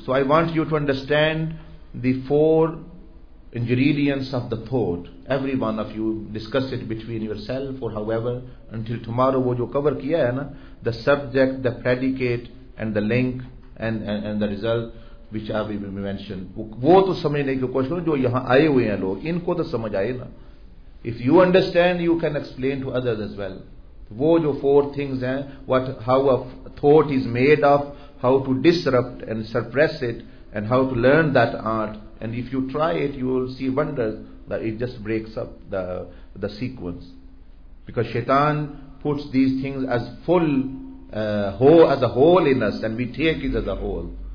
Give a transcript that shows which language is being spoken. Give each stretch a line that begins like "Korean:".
English: So I want you to understand the four ingredients of the thought. Every one of you discuss it between yourself or however until tomorrow. What you cover
Hindi: kiya hai na,
English: the subject, the predicate, and the link, and the result, which have been mentioned.
Hindi: वो तो समझने की कोशिश करो जो यहाँ आए हुए हैं लोग. इनको तो समझ आए ना.
English: If you understand, you can explain to others as well.
Hindi: वो जो
English: four things
Hindi: हैं,
English: what, how a thought is made of, how to disrupt and suppress it, and how to learn that art. And if you try it, you will see wonders, that it just breaks up the sequence, because Shaitan puts these things as full whole, as a whole in us, and we take it as a whole.